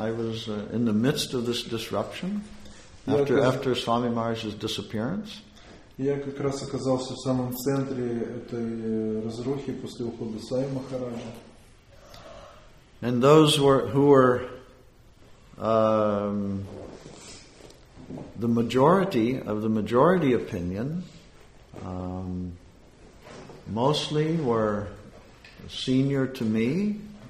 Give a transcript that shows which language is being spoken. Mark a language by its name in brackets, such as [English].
[English] I was in the midst of this disruption after Swami Maharaj's disappearance. [Russian] Я как раз оказался в самом центре этой разрухи после ухода Свами Махараджа. [English] And those who were the majority of the majority opinion mostly were senior to me.